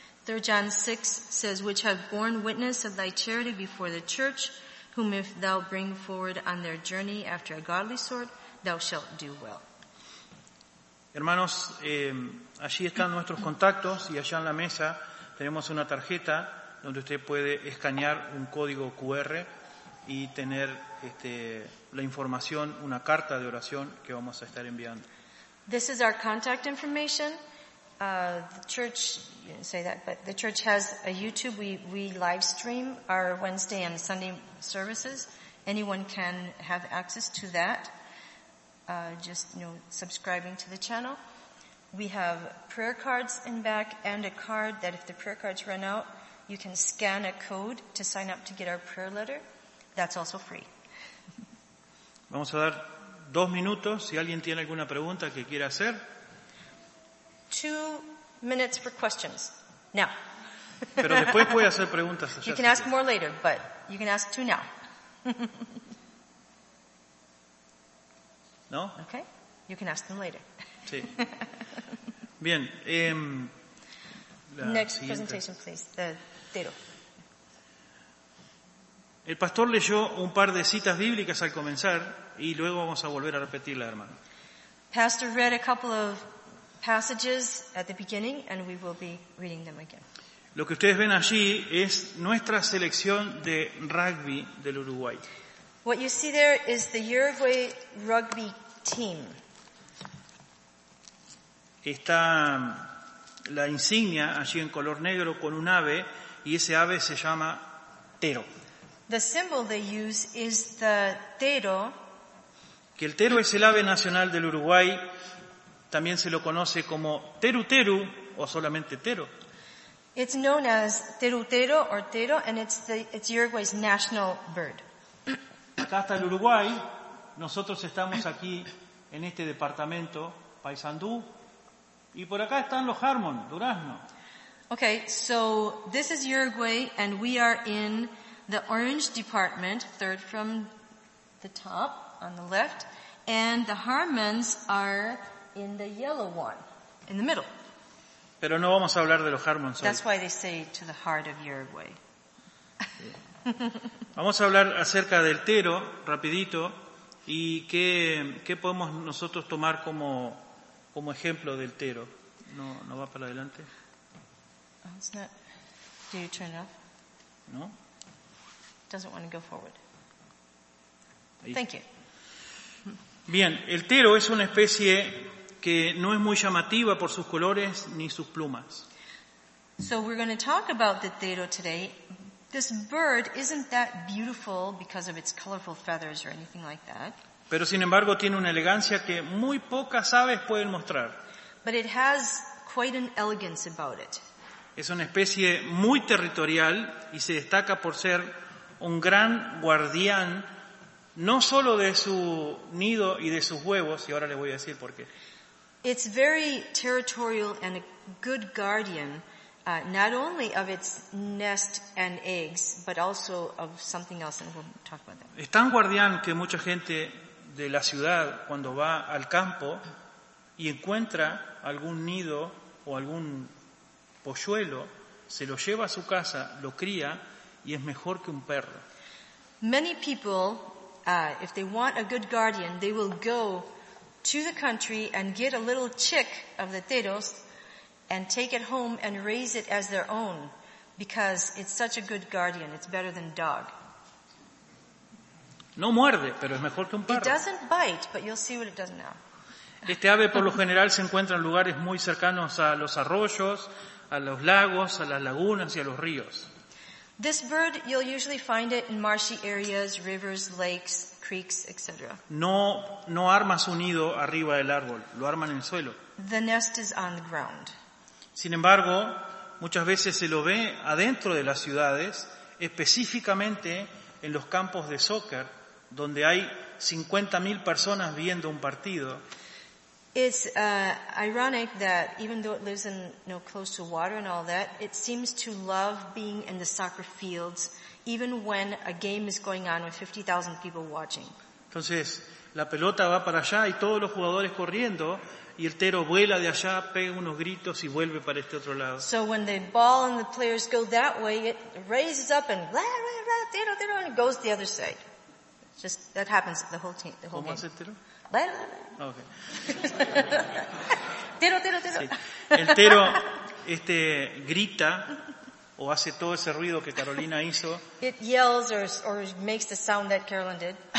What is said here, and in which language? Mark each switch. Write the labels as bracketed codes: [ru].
[en] 3 John 6 says, which have borne witness of thy charity before the church, whom if thou bring forward on their journey after a godly sort, thou shalt do well. [es] Hermanos, allí están nuestros contactos y allá en la mesa tenemos una tarjeta donde usted puede escanear un código QR y tener la información, una carta de oración que vamos a estar enviando. [en] This is our contact information. The church, you didn't say that, but the church has a YouTube. We live stream our Wednesday and Sunday services. Anyone can have access to that. just, you know, subscribing to the channel. We have prayer cards in back and a card that if the prayer cards run out, you can scan a code to sign up to get our prayer letter. That's also free. [es] Vamos a dar 2 minutos si alguien tiene alguna pregunta que quiera hacer. [en] 2 minutes for questions. Now. [es] Pero después puede hacer preguntas. [en] You can ask more later, but you can ask 2 now. No? Okay. You can ask them later. [es] Sí. Bien. [en] Next [es] siguiente [en] presentation, please. The Tero. [es] El pastor leyó un par de citas bíblicas al comenzar y luego vamos a volver a repetirla, hermano. [en] Pastor read a couple of passages at the beginning and we will be reading them again. [es] Lo que ustedes ven allí es nuestra selección de rugby del Uruguay. [en] What you see there is the Uruguay rugby team. [es] Está la insignia allí en color negro con un ave y ese ave se llama Tero. [en] The symbol they use is the Tero. [es] Que el Tero es el ave nacional del Uruguay, también se lo conoce como Teru Teru o solamente Tero. [en] It's known as Teru Teru or Tero and it's Uruguay's national bird. [es] Acá está el Uruguay, nosotros estamos aquí en este departamento, Paysandú, y por acá están los Harmon, Durazno. [en] Okay, so this is Uruguay and we are in the orange department, third from the top on the left, and the Harmons are in the yellow one, in the middle. [es] Pero no vamos a hablar de los Harmons. [en] That's [es] hoy. [en] Why they say to the heart of Uruguay. [es] Vamos a hablar acerca del Tero, rapidito, y qué podemos nosotros tomar como ejemplo del Tero. No va para adelante. [en] It's not. Do you turn it off? No. Doesn't want to go forward. Thank you. [es] Bien, el Tero es una especie que no es muy llamativa por sus colores ni sus plumas. [en] So we're going to talk about the Tero today. This bird isn't that beautiful because of its colorful feathers or anything like that. [es] Pero sin embargo tiene una elegancia que muy pocas aves pueden mostrar. [en] But it has quite an elegance about it. [es] Es una especie muy territorial y se destaca por ser un gran guardián, no solo de su nido y de sus huevos, y ahora le voy a decir por qué. [en] It's very territorial and a good guardian, not only of its nest and eggs, but also of something else, and we'll talk about that. [es] Es tan guardián que mucha gente de la ciudad, cuando va al campo y encuentra algún nido o algún polluelo, se lo lleva a su casa, lo cría, y es mejor que un perro. [en] Many people, if they want a good guardian, they will go to the country and get a little chick of the teros and take it home and raise it as their own because it's such a good guardian. It's better than dog. [es] No muerde, pero es mejor que un perro. [en] It doesn't bite, but you'll see what it does now. [es] Este ave, por lo general, se encuentra en lugares muy cercanos a los arroyos, a los lagos, a las lagunas y a los ríos. [en] This bird, you'll usually find it in marshy areas, rivers, lakes, creeks, etc. [es] No arma su nido arriba del árbol, lo arma en el suelo. [en] The nest is on the ground. [es] Sin embargo, muchas veces se lo ve adentro de las ciudades, específicamente en los campos de soccer, donde hay 50,000 personas viendo un partido. [en] It's ironic that even though it lives in, you know, close to water and all that, it seems to love being in the soccer fields even when a game is going on with 50,000 people watching. [es] Entonces, la pelota va para allá y todos los jugadores corriendo y el Tero vuela de allá, pega unos gritos y vuelve para este otro lado. [en] So when the ball and the players go that way, it raises up and rah, rah, rah, Tero, Tero, and it goes the other side. Just that happens the whole team, the whole [es] ¿Cómo [en] game. [es] Hace el Tero? [en] Okay. Tero, Tero, Tero. [es] Sí. El Tero grita o hace todo ese ruido que Carolina hizo. [en] It yells or makes the sound that Carolyn did.